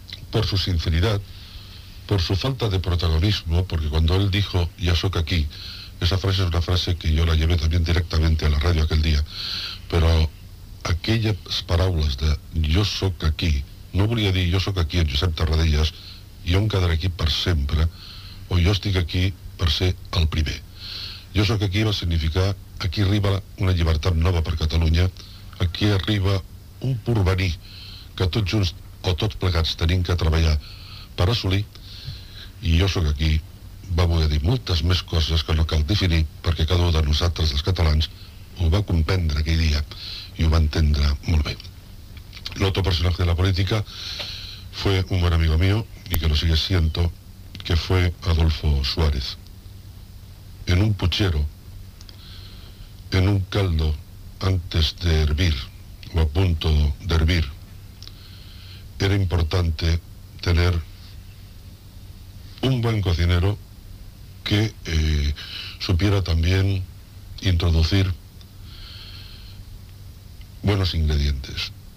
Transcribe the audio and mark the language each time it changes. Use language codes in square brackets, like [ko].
[es] Por su sinceridad, por su falta de protagonismo, porque cuando él dijo, ya soy aquí, esa frase es una frase que yo la llevé también directamente a la radio aquel día, pero aquellas parábolas de yo soy aquí, [ca] no volia dir jo soc aquí en Josep Tarradellas, jo em quedaré aquí per sempre, o jo estic aquí per ser el primer. Jo soc aquí va significar aquí arriba una llibertat nova per Catalunya, aquí arriba un porvenir que tots junts o tots plegats tenim que treballar per assolir, i jo soc aquí va voler dir moltes més coses que no cal definir, perquè cada un de nosaltres, els catalans, ho va comprendre aquell dia i ho va entendre molt bé. L'altre personatge de la política [es] fue un buen amigo mío, y que lo sigue siendo, que fue Adolfo Suárez. En un puchero, en un caldo antes de hervir, o a punto de hervir, era importante tener un buen cocinero que supiera también introducir buenos ingredientes.